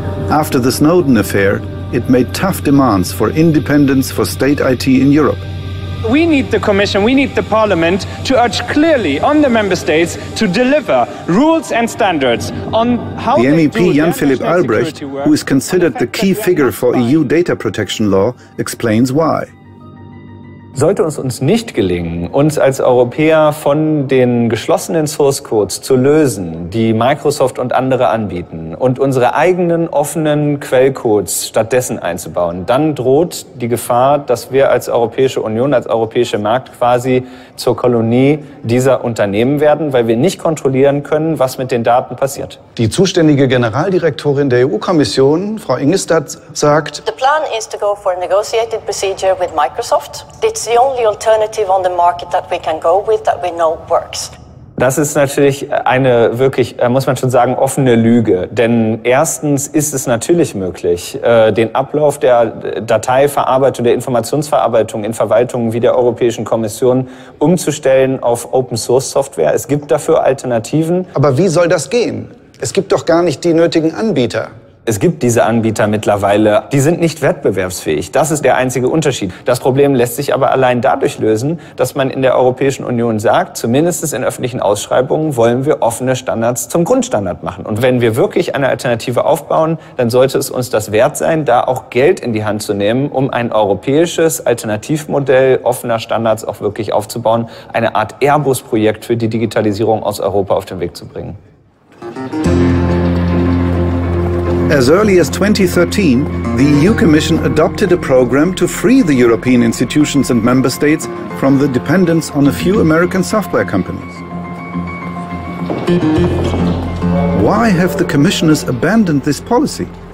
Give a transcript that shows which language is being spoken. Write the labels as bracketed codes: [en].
[en] After the Snowden affair, it made tough demands for independence for state IT in Europe. We need the Commission, we need the Parliament to urge clearly on the Member States to deliver rules and standards on how the MEP Jan-Philipp Albrecht, who is considered the key figure for EU data protection law, explains why. [de] Sollte es uns nicht gelingen, uns als Europäer von den geschlossenen Source Codes zu lösen, die Microsoft und andere anbieten, und unsere eigenen offenen Quellcodes stattdessen einzubauen, dann droht die Gefahr, dass wir als Europäische Union, als europäischer Markt quasi zur Kolonie dieser Unternehmen werden, weil wir nicht kontrollieren können, was mit den Daten passiert. Die zuständige Generaldirektorin der EU-Kommission, Frau Ingestad, sagt: [en] The plan is to go for a negotiated procedure with Microsoft. It's the only alternative on the market that we can go with that we know works. [de] Das ist natürlich eine wirklich, muss man schon sagen, offene Lüge. Denn erstens ist es natürlich möglich, den Ablauf der Dateiverarbeitung, der Informationsverarbeitung in Verwaltungen wie der Europäischen Kommission umzustellen auf Open-Source-Software. Es gibt dafür Alternativen. Aber wie soll das gehen? Es gibt doch gar nicht die nötigen Anbieter. Es gibt diese Anbieter mittlerweile, die sind nicht wettbewerbsfähig. Das ist der einzige Unterschied. Das Problem lässt sich aber allein dadurch lösen, dass man in der Europäischen Union sagt, zumindest in öffentlichen Ausschreibungen wollen wir offene Standards zum Grundstandard machen. Und wenn wir wirklich eine Alternative aufbauen, dann sollte es uns das wert sein, da auch Geld in die Hand zu nehmen, um ein europäisches Alternativmodell offener Standards auch wirklich aufzubauen, eine Art Airbus-Projekt für die Digitalisierung aus Europa auf den Weg zu bringen. [en] As early as 2013, the EU Commission adopted a program to free the European institutions and member states from the dependence on a few American software companies. Why have the commissioners abandoned this policy?